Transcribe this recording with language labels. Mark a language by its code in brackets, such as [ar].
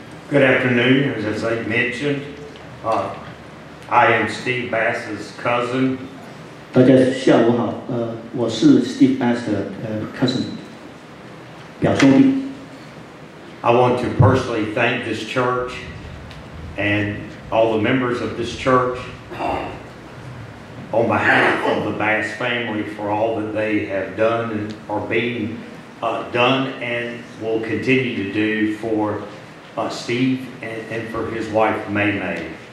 [en] Good afternoon. As I mentioned, I am Steve Bass's cousin. [zh] 大家下午好，我是 Steve Bass 的cousin， 表兄弟。 [en] I want to personally thank this church and all the members of this church on behalf of the Bass family for all that they have done and are being done and will continue to do for Steve and for his wife May May.